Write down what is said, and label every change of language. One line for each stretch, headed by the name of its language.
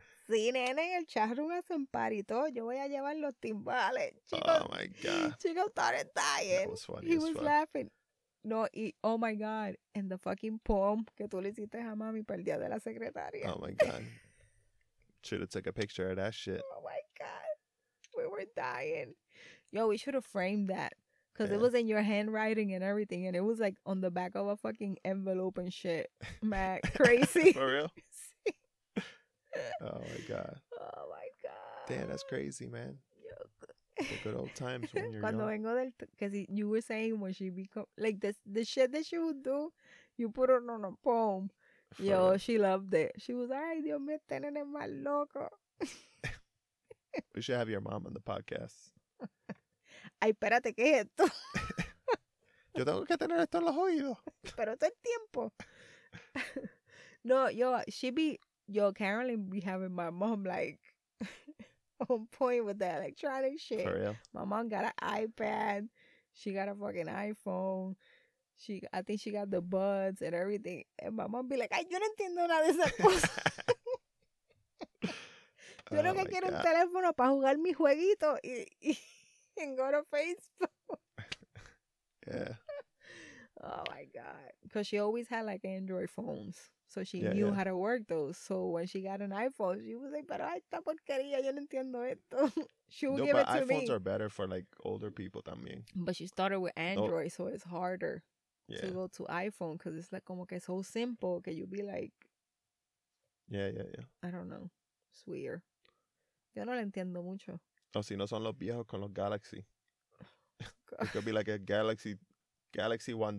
Spanish: Sí, nene, en el charro hacen party todo. Yo voy a llevar los timbales. Chico,
English: oh, my God. Chico started dying. That was funny. He was laughing. No, oh my God. And the fucking poem
Spanish: que tú le hiciste a mami para el día de la secretaria.
English: Oh my God. Should have took a picture of that shit. Oh my God. We were dying. Yo, we should have framed that. Because yeah. It was in your handwriting and everything. And it was like on the back of a fucking envelope and shit. Mac, crazy. For real? Oh my God. Oh my God. Damn, that's crazy, man. The good old times when you're
Spanish: cuando
English: young.
Spanish: Vengo del
English: because you were saying when she become like this, the shit that she would do, you put her on a poem. For yo, her. She loved it. She was
Spanish: ay Dios me tienen en mal loco.
English: We should have your mom on the podcast.
Spanish: Ay, espérate, ¿qué es esto? Yo tengo que tener esto en los oídos. Pero todo el tiempo.
English: No, yo, she be, yo, Carolyn be having my mom, like, on point with the electronic shit. For real? My mom got an iPad. She got a fucking iPhone. She, I think she got the buds and everything. And my mom be like,
Spanish: ay, yo no entiendo nada de esa cosa. Yo lo que quiero un teléfono para jugar mi jueguito y
English: go to Facebook. Yeah. Oh my God. Because she always had like Android phones. So she knew how to work those. So when she got an iPhone, she was like,
Spanish: pero esta porquería, yo no entiendo esto.
English: She would give it to me. iPhones are better for like older people también. But she started with Android, so it's harder to go to iPhone because it's like
Spanish: como que
English: so simple que you'd be like. Yeah. I don't know. It's weird.
Spanish: Yo no la entiendo mucho. O si no son los viejos con los Galaxy.
English: It could be like a Galaxy One.